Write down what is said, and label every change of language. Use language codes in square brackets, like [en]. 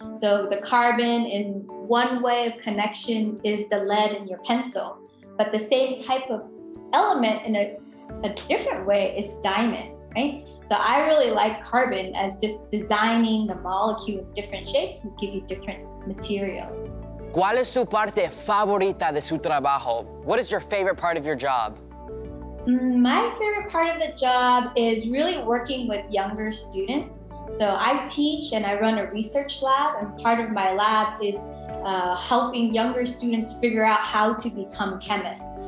[en] So the carbon in one way of connection is the lead in your pencil, but the same type of element in a different way is diamond, right? So I really like carbon as just designing the molecule in different shapes will give you different materials. [es] ¿Cuál es su parte favorita de su trabajo? [en] What is your favorite part of your job? My favorite part of the job is really working with younger students. So I teach and I run a research lab, and part of my lab is helping younger students figure out how to become chemists.